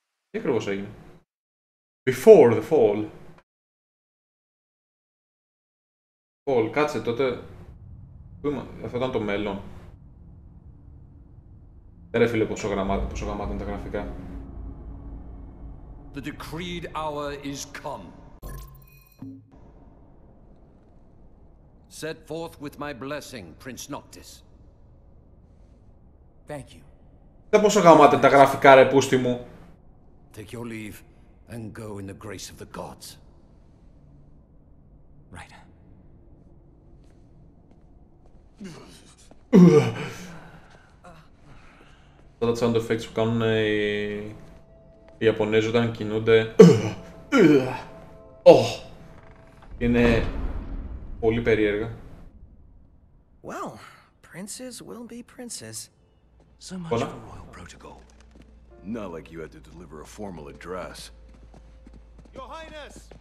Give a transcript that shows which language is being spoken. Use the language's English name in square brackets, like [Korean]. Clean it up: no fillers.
[Greek] Τι ακριβώς έγινε. [English] Before the fall. [Greek] Fall, κάτσε τότε. Αυτό ήταν το μέλλον. Ρε φίλε, πόσο γαμάτα είναι τα γραφικά. [English] The decreed hour is come. Set forth with my blessing, Prince Noctis. Thank you. [Greek] Δεν πόσο γαμάτα είναι τα γραφικά, ρε πούστη μου. [English] Take your leave and go in the grace of the gods. Right. [Greek] Αυτά τα sound effects που κάνουν οι Ιαπωνέζοι όταν κινούνται είναι πολύ περίεργα. [English] Well, princes will be princes. So much for royal protocol. Not like you had to deliver a formal address. Your Highness!